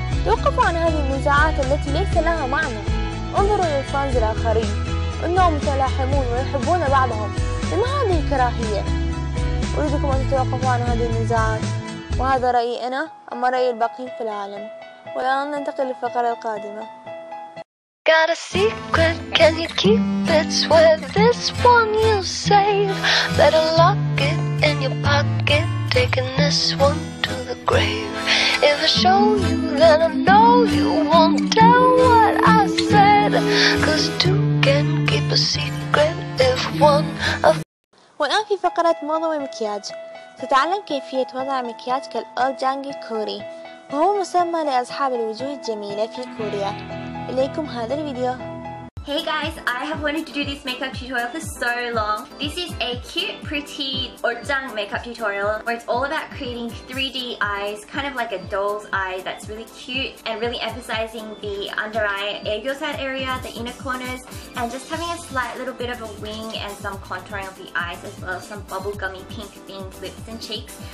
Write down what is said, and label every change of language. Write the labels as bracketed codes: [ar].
[ar] توقفوا عن هذه النزاعات التي ليس لها معنى. انظروا إلى الفانز الآخرين، إنهم متلاحمون ويحبون بعضهم، لما هذه الكراهية؟ أريدكم أن تتوقفوا عن هذه النزاعات، وهذا رأيي أنا، أما رأي الباقين في العالم. والآن ننتقل للفقرة القادمة. [en] Got a secret, can you keep it? Swear this one you save. Better lock it in your pocket, taking this one to the grave. If I show you, then I know you won't tell what I said. Cause two can keep a secret if one of. [ar] والآن في فقرة موضة ومكياج، تتعلم كيفية وضع مكياجك الأولجانجي الكوري، وهو مسمى لأصحاب الوجوه الجميلة في كوريا. إليكم هذا الفيديو. [en] Hey guys, I have wanted to do this makeup tutorial for so long. This is a cute, pretty, orjang makeup tutorial where it's all about creating 3D eyes, kind of like a doll's eye that's really cute and really emphasizing the under eye, egg yolk side area, the inner corners, and just having a slight little bit of a wing and some contouring of the eyes as well as some bubblegummy pink themed lips and cheeks.